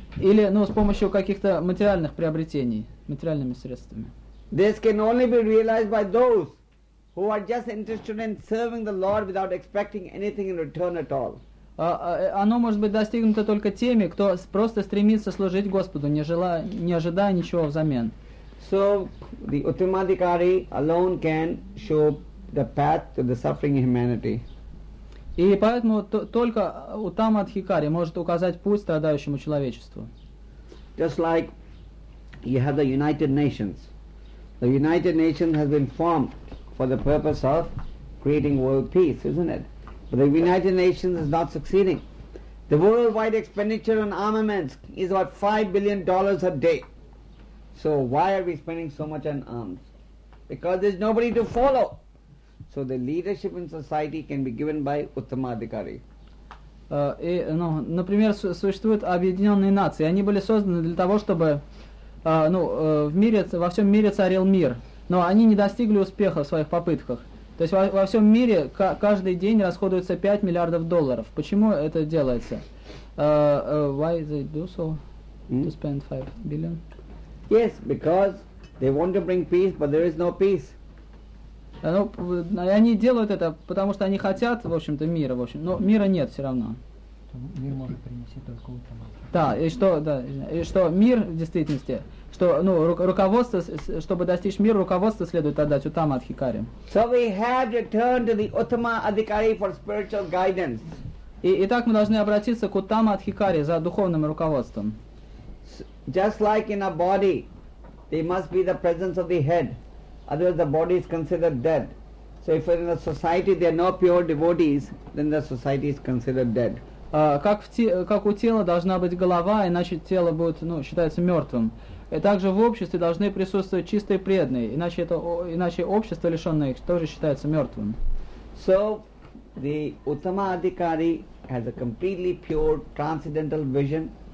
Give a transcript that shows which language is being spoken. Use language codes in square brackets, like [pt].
[ru] Или с помощью каких-то материальных приобретений, материальными средствами. [en] This can only be realized by those who are just interested in serving the Lord without expecting anything in return at all. [ru] Оно может быть достигнуто только теми, кто просто стремится служить Господу, не ожидая ничего взамен. [en] So the Uttamadhikari alone can show the path to the suffering humanity. [ru] И поэтому только Уттамадхикари может указать путь страдающему человечеству. [en] Just like you have the United Nations. The United Nations has been formed for the purpose of creating world peace, isn't it? But the United Nations is not succeeding. The worldwide expenditure on armaments is about $5 billion a day. So why are we spending so much on arms? Because there's nobody to follow. So the leadership in society can be given by Uttamadhikari. [ru] Например, существуют Объединенные Нации. Они были созданы для того, чтобы во всем мире царил мир, но они не достигли успеха в своих попытках. То есть во всем мире каждый день расходуется $5 миллиардов. Почему это делается? [en] Why they do so? To spend $5 billion? Yes, because they want to bring peace, but there is no peace. [ru] Ну, они делают это, потому что они хотят, в общем-то, мира, в общем. Но мира нет все равно. Мир может принести только утомление. Да, и что, да, и что мир в действительности, что, ну, руководство, чтобы достичь мира, руководство следует отдать Уттама Адхикари. [en] So we have to turn to the Uttama Adhikari for spiritual guidance. [ru] Итак, мы должны обратиться к Уттама Адхикари за духовным руководством. [en] Just like in a body, there must be the presence of the head, otherwise the body is considered dead. So if in a society there are no pure devotees, then the society is considered dead. [ru] Как у тела должна быть голова, иначе тело будет, ну, считается мертвым. И также в обществе должны присутствовать чистые преданные, иначе это, иначе общество, лишенное их, тоже считается мертвым. [en] So the Uttama Adhikari has a completely pure transcendental vision.